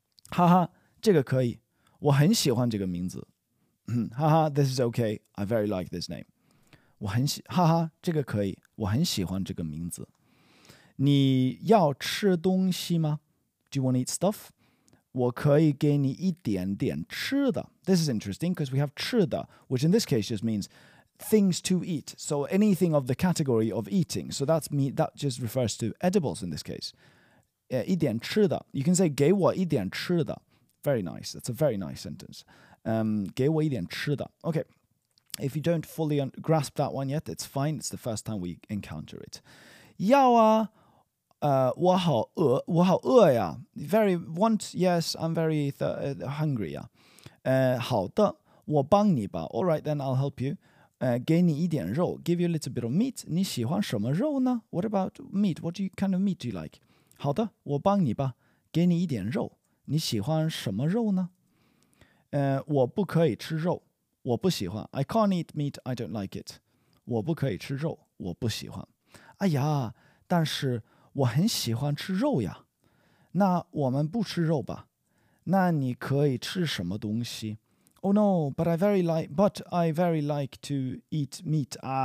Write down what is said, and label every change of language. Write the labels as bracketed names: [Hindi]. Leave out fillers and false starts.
[Chinese] 哈哈,这个可以,我很喜欢这个名字. [English] 哈哈, this is okay, I very like this name. [Chinese] 哈哈,这个可以,我很喜欢这个名字. 你要吃东西吗? [English] Do you want to eat stuff? [Chinese] 我可以给你一点点吃的. [English] This is interesting because we have 吃的, which in this case just means things to eat, so anything of the category of eating. So that's me. That just refers to edibles in this case. [Chinese] 一点吃的. [English] You can say [Chinese] 给我一点吃的. [English] Very nice. That's a very nice sentence. [Chinese] 给我一点吃的. [English] Okay. If you don't fully grasp that one yet, it's fine. It's the first time we encounter it. [Chinese] 要啊.我好饿呀. [English] Very want. Yes, I'm very hungry. [Chinese] 好的.我帮你吧. [English] All right, then I'll help you. [Chinese] 给你一点肉, [English] give you a little bit of meat. [Chinese] 你喜欢什么肉呢? [English] What about meat? What kind of meat do you like? [Chinese] 好的,我帮你吧,给你一点肉.你喜欢什么肉呢? 我不可以吃肉,我不喜欢. [English] I can't eat meat, I don't like it. [Chinese] 我不可以吃肉,我不喜欢.哎呀,但是我很喜欢吃肉呀. 那我们不吃肉吧.那你可以吃什么东西? [English] Oh no, but I very like to eat meat.